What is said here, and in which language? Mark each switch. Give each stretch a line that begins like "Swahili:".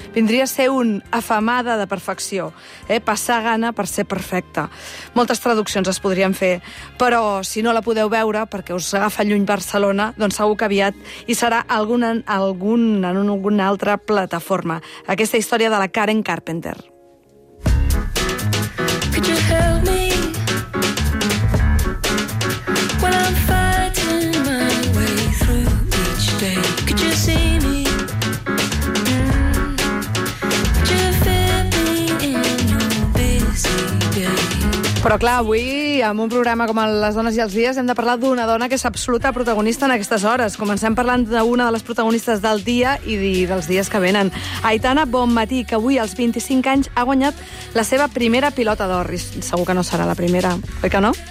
Catalan: Vindria a ser un afamada de perfecció. Passar gana per ser perfecta. Moltes traduccions es podrien fer, però si no la podeu veure perquè us agafa lluny Barcelona, doncs segur que aviat hi serà alguna altra plataforma. Aquesta història de la Karen Carpenter.
English: Could you help me when I'm fighting my way through each day? Could you see me? Could you fit me in your busy day?
Catalan: Però clar, avui, amb un programa com Les dones i els dies, hem de parlar d'una dona que és absoluta protagonista en aquestes hores. Comencem parlant d'una de les protagonistes del dia i dels dies que venen. Aitana Bonmatí, que avui, als 25 anys, ha guanyat la seva primera pilota d'or. Segur que no serà la primera, oi que no?